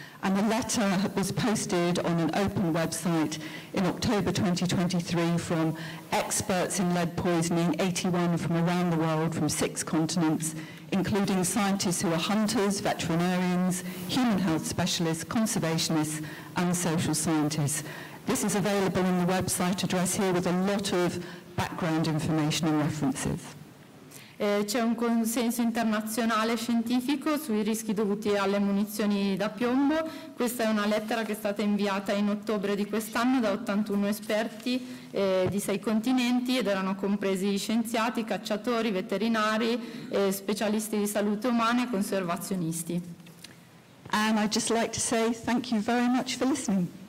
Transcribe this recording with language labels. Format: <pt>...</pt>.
<en>And the letter was posted on an open website in October 2023 from experts in lead poisoning, 81 from around the world, from six continents, including scientists who are hunters, veterinarians, human health specialists, conservationists, and social scientists. This is available on the website address here with a lot of background information and references.</en> <it>C'è un consenso internazionale scientifico sui rischi dovuti alle munizioni da piombo. Questa è una lettera che è stata inviata in ottobre di quest'anno da 81 esperti di 6 continenti ed erano compresi scienziati, cacciatori, veterinari, specialisti di salute umana e conservazionisti.</it> <en>And I'd just like to say thank you very much for listening.</en>